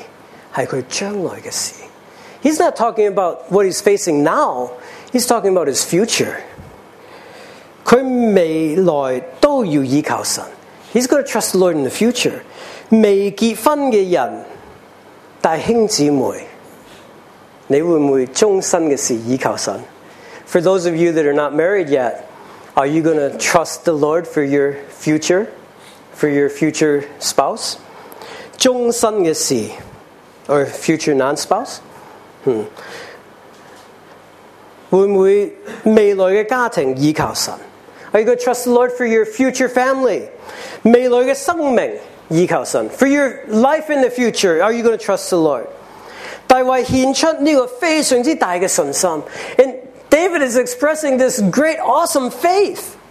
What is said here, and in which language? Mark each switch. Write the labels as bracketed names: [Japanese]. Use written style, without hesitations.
[Chinese] 不单是是现在的事，是他将来的事。 [English] He's not talking about what he's facing now. He's talking about his future. [Chinese] 他未来都要依靠神。 [English] He's going to trust the Lord in the future. [Chinese] 未结婚的人，弟兄姊妹。你会不会终身的事依靠神? [English] For those of you that are not married yet, are you going to trust the Lord for your future spouse? [Chinese] 终身的事, [English] or future non-spouse? [Chinese] 会不会未来的家庭依靠神? [English] Are you going to trust the Lord for your future family? [Chinese] 未来的生命依靠神? [English] For your life in the future, are you going to trust the Lord? [Chinese] 大卫献出这个非常之大的信心， [English] and David is expressing this great, awesome faith.